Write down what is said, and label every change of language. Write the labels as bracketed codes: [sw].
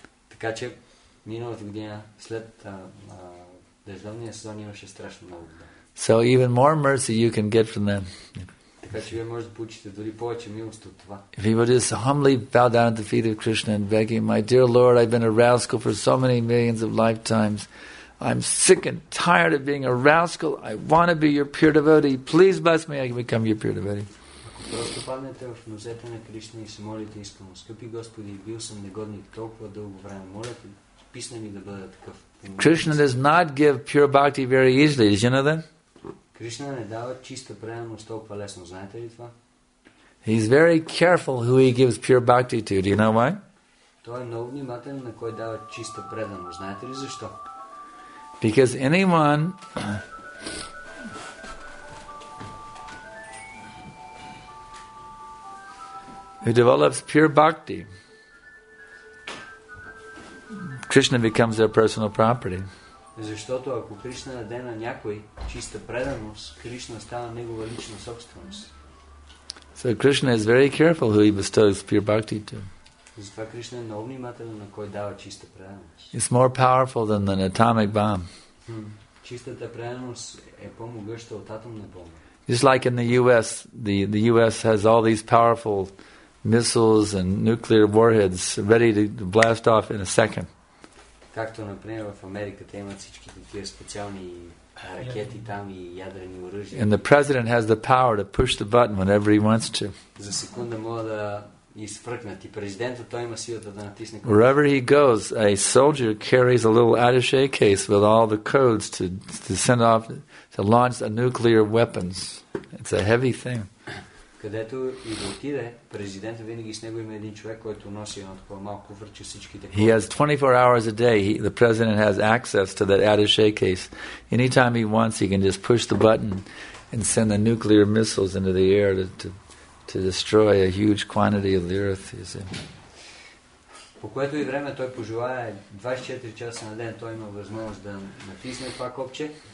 [bg] Така че миналата година след дъждовния сезон имаше страшно много вода. [en] So even more mercy you can get from them. [bg] Така че вие можете да получите дори повече милост от това. [en] If you would just humbly bow down at the feet of Krishna and begging, my dear Lord, I've been a rascal for so many millions of lifetimes. I'm sick and tired of being a rascal. I want to be your pure devotee. Please bless me, I can become your pure devotee. [bg] Просто паднете в нозете на Кришна и се молите искрено. Скъпи Господи, бил съм негодник толкова дълго време. Моля те, писна ми да бъда такъв. [en] Krishna does not give pure bhakti very easily, did you know that? [bg] Кришна не дава чиста преданост толкова лесно, знаете ли това? [en] He is very careful who he gives pure bhakti to, do you know why? [bg] Той е много внимателен на кой дава чиста преданост, знаете ли защо? [en] Because anyone who develops pure bhakti, Krishna becomes their personal property. [bg] Защото ако Кришна даде на някой чиста преданост, Кришна става негова лична собственост. [en] So Krishna is very careful who he bestows pure bhakti to. [bg] Затова Кришна е много внимателен на кой дава чиста преданост. [en] It's more powerful than an atomic bomb. [bg] Чистата преданост е по-могъща от атомна бомба. [en] Just like in the US, the US has all these powerful missiles and nuclear warheads ready to blast off in a second. [bg] Както например в Америка те имат всички такива специални ракети там и ядрени оръжия. [en] And the president has the power to push the button whenever he wants to. [bg] За секунда може да изфръкнат и президентът той има силата да натисне. [en] Wherever he goes, a soldier carries a little attaché case with all the codes to send off to launch a nuclear weapons. It's a heavy thing. [bg] където и да отиде, президентът винаги с него има един човек, който носи едно такова малко куфърче всички такова. [en] He has 24 hours a day. The president has access to that attaché case. Anytime he wants, he can just push the button and send the nuclear missiles into the air to destroy a huge quantity of the earth. [bg] По което и време той пожелае 24 часа на ден, той има възможност да натисне това копче.